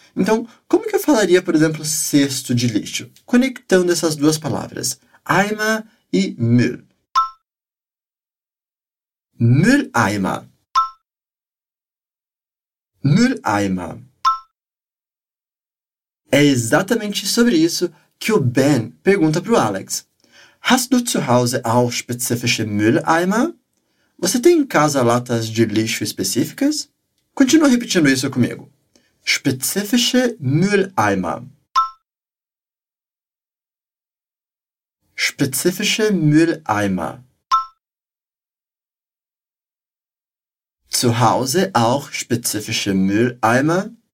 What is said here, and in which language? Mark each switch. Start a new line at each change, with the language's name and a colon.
Portuguese: Então, como que eu falaria, por exemplo, cesto de lixo? Conectando essas duas palavras, Eimer e Müll.
German: Mülleimer. Mülleimer.
Portuguese: É exatamente sobre isso que o Ben pergunta para o Alex.
German: Hast du zu Hause auch spezifische Mülleimer?
Portuguese: Você tem em casa latas de lixo específicas? Continua repetindo isso comigo.
German: Spezifische Mülleimer. Spezifische Mülleimer. Zu Hause auch spezifische Mülleimer?